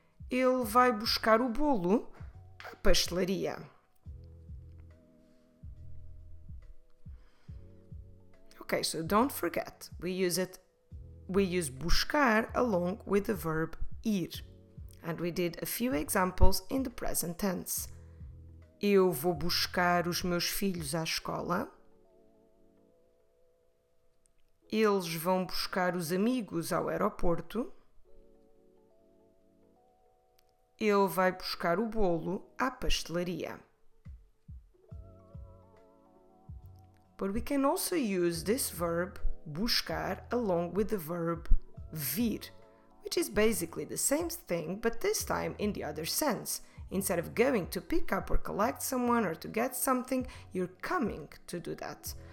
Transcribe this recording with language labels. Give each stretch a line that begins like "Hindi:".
Portuguese: Ele vai buscar o bolo à pastelaria.
English: Okay, so don't forget, we use buscar along with the verb ir. And we did a few examples in the present tense.
Portuguese: Eu vou buscar os meus filhos à escola. Eles vão buscar os amigos ao aeroporto. Ele vai buscar o bolo à pastelaria.
English: But we can also use this verb, buscar, along with the verb vir, which is basically the same thing, but this time in the other sense. Instead of going to pick up or collect someone or to get something, you're coming to do that.